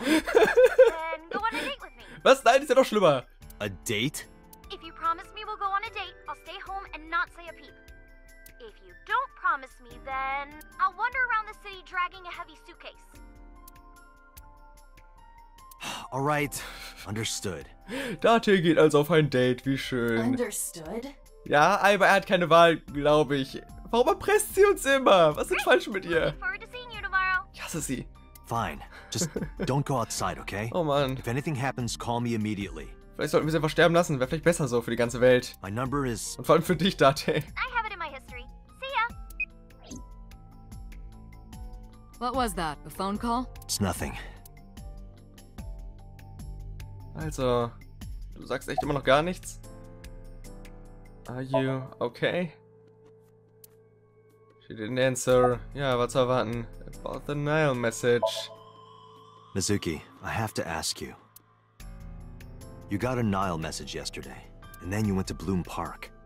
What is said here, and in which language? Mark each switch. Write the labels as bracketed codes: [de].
[en] Then go on a date with me. [de] Was? Nein, ist ja doch schlimmer. [en] A date? If you promise me we'll go on a date, I'll stay home and not say a peep. If you don't promise me, then I'll wander around the city dragging a heavy suitcase. All right, understood. [de] Date geht also auf ein Date, wie schön. [en] Understood? [de] Ja, aber er hat keine Wahl, glaube ich. Warum erpresst sie uns immer? Was ist falsch mit ihr? Ich hasse sie. [en] Fine. Just don't go outside, okay? [de] Oh Mann. [en] If anything happens, call me immediately. [de] Vielleicht sollten wir sie einfach sterben lassen. Wäre vielleicht besser so für die ganze Welt. [en] My number is. [de] Und vor allem für dich, Date. [en] I have it in my history. See ya. What was that? A phone call? It's nothing. [de] Also, du sagst echt immer noch gar nichts? [en] Are you okay? She didn't answer. [de] Ja, war zu erwarten. [en] about the Nile message. Mizuki, I have to ask you. You got a Nile message yesterday, and then you went to Bloom Park.